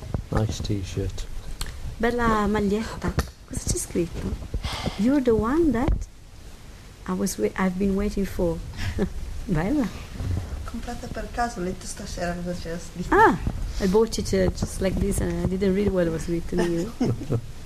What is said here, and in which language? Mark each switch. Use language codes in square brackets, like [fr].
[en] Nice t-shirt. [it] Bella maglietta. Cosa c'è scritto? [en] You're the one that I've been waiting for. [it] Bella. Comprata per caso, ho letto stasera cosa c'era scritto. [en] Ah, I bought it just like this and I didn't read what was written here.